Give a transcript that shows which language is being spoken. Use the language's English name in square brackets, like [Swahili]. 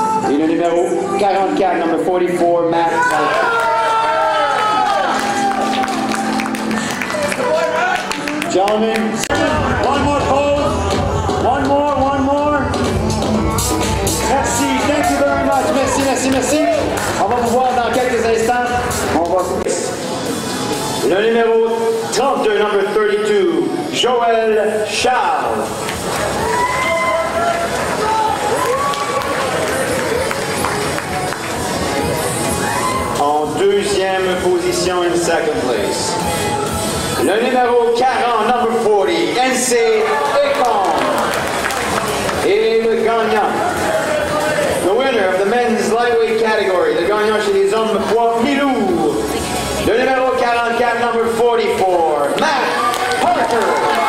[French] Et le numéro 44, [English] number 44, [French] Matt Parker. [English] Gentlemen, one more pose, one more, one more. [French] Merci, [English] thank you very much, [French] merci, merci, merci. On va vous voir dans quelques instants. On va vous... Le numéro 32, [English] number 32, [French] Joël Charles. En deuxième position, [English] in second place. [French] Le numéro 40, [English] number 40, [French] N.C. Ekman. Et le gagnant. [English] The winner of the men's lightweight category. [French] Le gagnant chez les hommes, poids milou. Le numéro 44, [English] number 44, [French] Matt Parker.